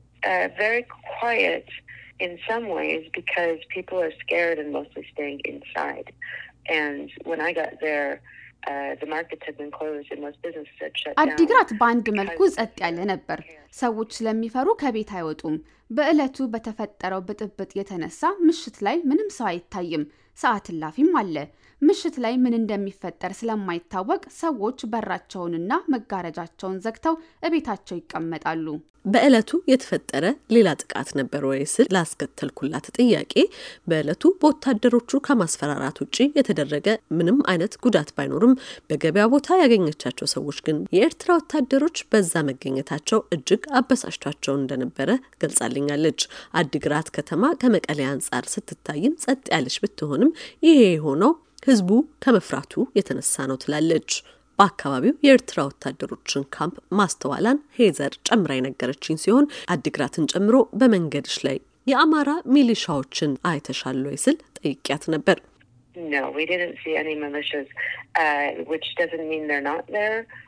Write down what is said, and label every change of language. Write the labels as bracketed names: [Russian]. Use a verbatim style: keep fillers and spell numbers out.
[English] Uh, very quiet in some ways because people are scared and mostly staying inside. And when I got there, uh, the markets had been closed and most businesses had shut down. [Amharic] አዲግራት በአንድ መልኩ ጸጥ ያለ ነበር። ሰዎች ስለሚፈሩ ከቤት አይወጡም። በእለቱ በተፈጠረው ብጥብጥ የተነሳ ምሽት ላይ ምንም ሰው አይታይም። ሰዓት እላፊም አለ። ምሽት ላይ ምን እንደሚፈጠር ስለማይታወቅ ሰዎች በራቸውንና መጋረጃቸውን ዘግተው እቤታቸው ይቀመጣሉ። በእለቱ የተፈጠረ ሌላ ጥቃት ነበር ወይ ስል ላስከተልኩላት ጥያቄ በእለቱ በወታደሮቹ ከማስፈራራት ውጪ የተደረገ ምንም አይነት ጉዳት ባይኖርም በገበያ ቦታ ያገኘቻቸው ሰዎች ግን የኤርትራ ወታደሮች በዛ መገኘታቸው እጅግ አበሳጭቷቸው እንደነበረ ገልጻልኛለች። አዲግራት ከተማ ከመቀሌ አንጻር ስትታይም ጸጥ ያለች ብትሆንም ይሄ የሆነው ህዝቡ ከመፍራቱ የተነሳ ነው ትላለች። በአካባቢው የኤርትራ ወታደሮችን ካምፕ ማስተዋላን ሄዘር ጨምራ የነገረችኝ ሲሆን አዲግራትን ጨምሮ በመንገድሽ ላይ የአማራ ሚሊሻዎችን አይተሻል ወይ ስል ጠይቄያት ነበር። [English] No, we didn't see any militias, uh, which doesn't mean they're not there.